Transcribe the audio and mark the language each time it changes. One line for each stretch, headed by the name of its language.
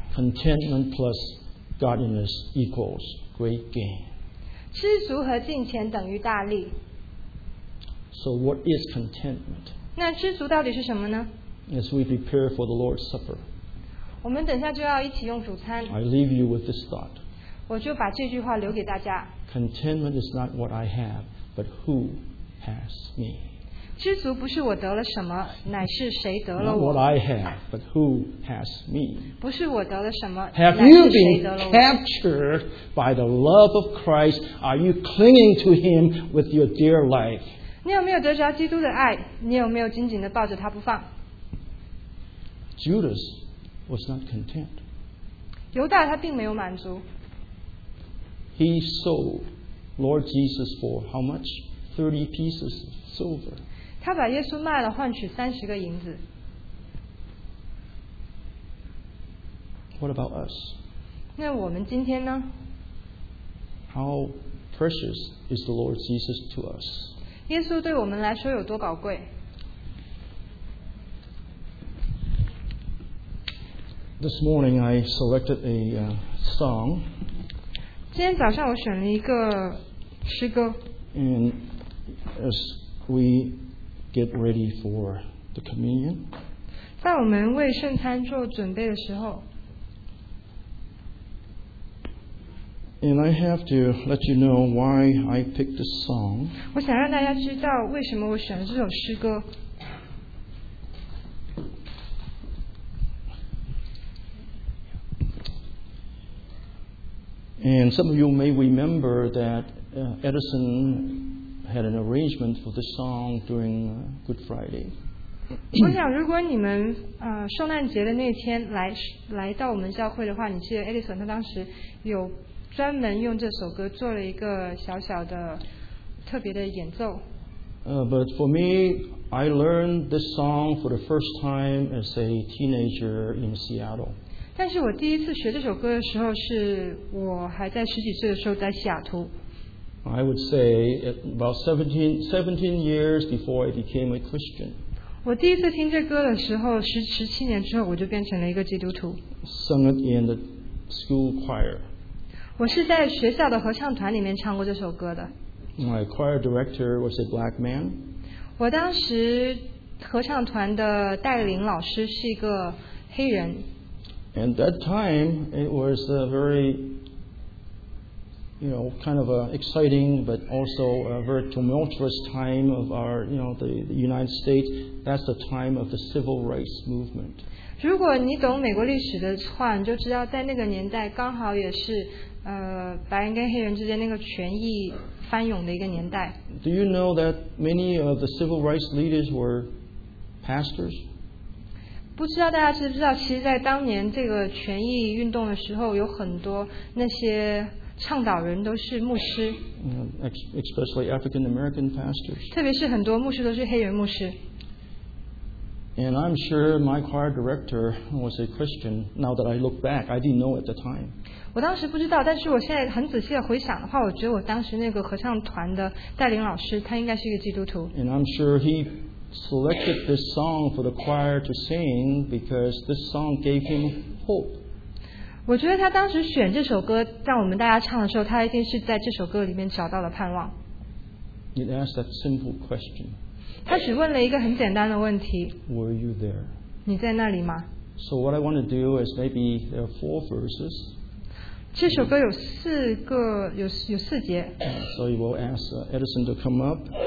English: Contentment plus godliness equals great gain.
Chinese: 知足和敬虔等于大利。
English: So what is contentment?
Chinese: 那知足到底是什么呢？
English: As we prepare for the Lord's Supper,
Chinese: 我们等下就要一起用主餐。
English: I leave you with this thought.
Chinese: 我就把这句话留给大家。
English: Contentment is not what I have, but who has me.
Chinese: 知足不是我得了什么，乃是谁得了我。
English: Not what I have, but who has me.
Chinese: 不是我得了什么，乃是谁得了我。
English: Have you been captured by the love of Christ? Are you clinging to Him with your dear life?
Chinese: 你有没有得着基督的爱？你有没有紧紧地抱着他不放？
English: Judas was not content.
Chinese: 犹大他并没有满足。
English: He sold Lord Jesus for how much? 30 pieces of silver.
Chinese: 他把耶稣卖了，换取三十个银子。
English: What about us?
Chinese: 那我们今天呢？
English: How precious is the Lord Jesus to us?
Chinese: 耶稣对我们来说有多宝贵？
English: This morning I selected a song.
Chinese: 今天早上我选了一个诗歌。
English: And as we get ready for the communion,
Chinese: 在我们为圣餐做准备的时候，
English: And I have to let you know why I picked this song.
Chinese: 我想让大家知道为什么我选了这首诗歌。
English: And some of you may remember that Edison had an arrangement for this song during Good Friday.
Chinese: 我想如果你们圣诞节的那天来到我们教会的话，你记得 Edison 他当时有专门用这首歌做了一个小小的特别的演奏。
English: But for me, I learned this song for the first time as a teenager in Seattle.
Chinese: 但是我第一次学这首歌的时候是我还在十几岁的时候在西雅图。
English: I would say about 17 years before I became a Christian.
Chinese: 我第一次听这歌的时候，十七年之后，我就变成了一个基督徒。
English: Sung it in the school choir.
Chinese: 我是在学校的合唱团里面唱过这首歌的。
English: My choir director was a black man.
Chinese: 我当时合唱团的带领老师是一个黑人。
English: And that time, it was a very... You know, kind of an exciting but also a very tumultuous time of our, you know, the United States. That's the time of the civil rights movement.
Chinese: 如果你懂美国历史的话，你就知道在那个年代刚好也是白人跟黑人之间那个权益翻涌的一个年代。
English: Do you know that many of the civil rights leaders were pastors?
Chinese: 不知道大家知不知道，其实在当年这个权益运动的时候，有很多那些。倡导人都是牧师
English: especially African American pastors.
Chinese: 特别是很多牧师都是黑人牧师。
English: And I'm sure my choir director was a Christian. Now that I look back, I didn't know at the time.
Chinese: 我当时不知道，但是我现在很仔细的回想的话，我觉得我当时那个合唱团的带领老师，他应该是一个基督徒。
English: And I'm sure he selected this song for the choir to sing because this song gave him hope.
Chinese: 我觉得他当时选这首歌让我们大家唱的时候，他一定是在这首歌里面找到了盼望。
English: It asked that simple question.
Chinese: 他只问了一个很简单的问题。
English: Were you there?
Chinese: 你在那里吗？
English: So what I want to do is maybe there are four verses.
Chinese: 这首歌有四节。
English: So you will ask Edison to come up.